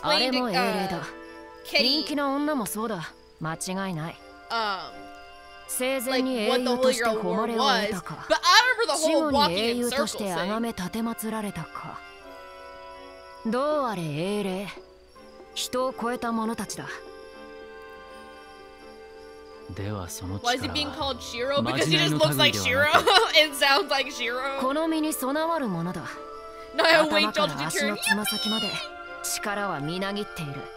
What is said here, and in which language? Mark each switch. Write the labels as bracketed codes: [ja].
[ja] あれも英霊だ。人気の女もそうだ。間違いない。生前に英雄として誉れを得たか、死後に英雄として崇め奉られたか、どうあれ英霊、人を超えた者たちだ。ではその力は、 [en] Why is it being called Shiro? Because he just looks like Shiro and sounds like Shiro. [ja] この身に備わるものだ。頭から足のつま先まで力はみなぎっている。